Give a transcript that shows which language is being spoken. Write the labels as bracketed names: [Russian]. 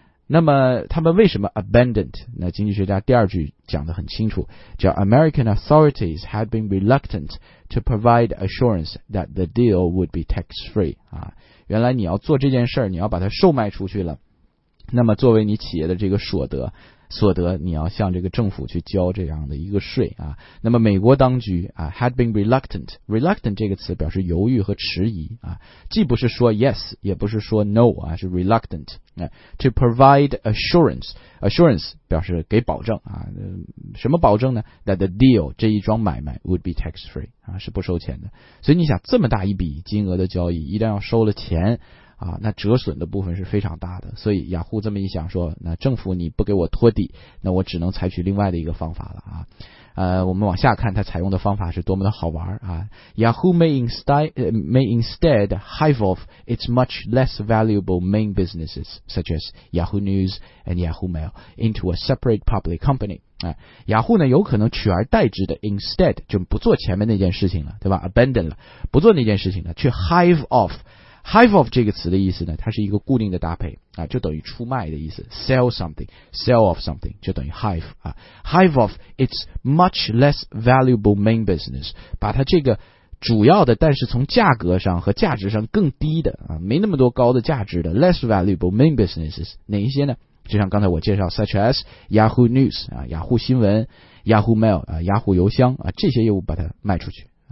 [Chinese] 那么他们为什么 abandoned？ 那经济学家第二句讲得很清楚，叫 [English] American authorities had been reluctant to provide assurance that the deal would be tax free [Chinese] 啊，原来你要做这件事儿，你要把它售卖出去了，那么作为你企业的这个所得，你要向这个政府去交这样的一个税啊。那么美国当局啊 [English] had been reluctant [Chinese] 这个词表示犹豫和迟疑啊，既不是说 yes 也不是说 no 啊，是 [English] reluctant to provide assurance [Chinese] 表示给保证啊，什么保证呢？ [English] that the deal [Chinese] 这一桩买卖 [English] would be tax free [Chinese] 啊，是不收钱的。所以你想，这么大一笔金额的交易，一旦要收了钱啊，那折损的部分是非常大的。所以雅虎这么一想说，那政府你不给我托底，那我只能采取另外的一个方法了啊。我们往下看它采用的方法是多么的好玩啊。 [English] Yahoo may instead hive off its much less valuable main businesses such as Yahoo News and Yahoo Mail into a separate public company. [Chinese] 雅虎呢有可能取而代之的 instead 就不做前面那件事情了，对吧？ abandon 了，不做那件事情了，去 hive off。Hive off 这个词的意思呢，它是一个固定的搭配啊，就等于出卖的意思。 [English] Sell something, sell off something [Chinese] 就等于 [English] hive 啊。 Hive off its much less valuable main business， [Chinese] 把它这个主要的，但是从价格上和价值上更低的啊，没那么多高的价值的 [English] less valuable main businesses [Chinese] 哪一些呢？就像刚才我介绍 ， [English] such as Yahoo News [Chinese] 啊，雅虎新闻 ，Yahoo Mail 啊，雅虎邮箱啊，这些业务把它卖出去。